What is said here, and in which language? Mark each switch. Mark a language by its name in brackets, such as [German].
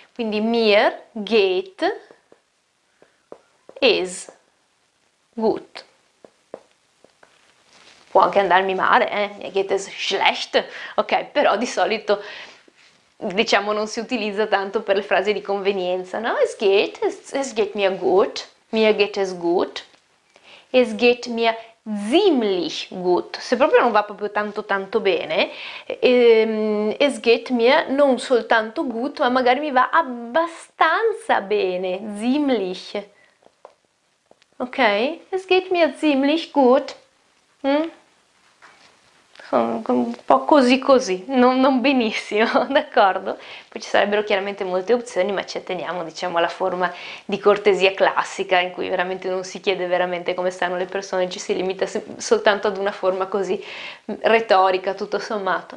[Italian] Quindi [German] mir, geht, es. Gut. [Italian] Può anche andarmi male, eh? [German] Geht es schlecht? [Italian] Ok, però di solito diciamo non si utilizza tanto per le frasi di convenienza, no? [German] Es geht mir gut. Mir geht es gut. Es geht mir ziemlich gut. [Italian] Se proprio non va proprio tanto tanto bene, [German] es geht mir [Italian] non soltanto gut, ma magari mi va abbastanza bene. Ziemlich. [German] Ok, es geht mir ziemlich gut. [Italian] Un po' così così, non benissimo, d'accordo? Poi ci sarebbero chiaramente molte opzioni, ma ci atteniamo, diciamo, alla forma di cortesia classica in cui veramente non si chiede veramente come stanno le persone, ci si limita soltanto ad una forma così retorica, tutto sommato.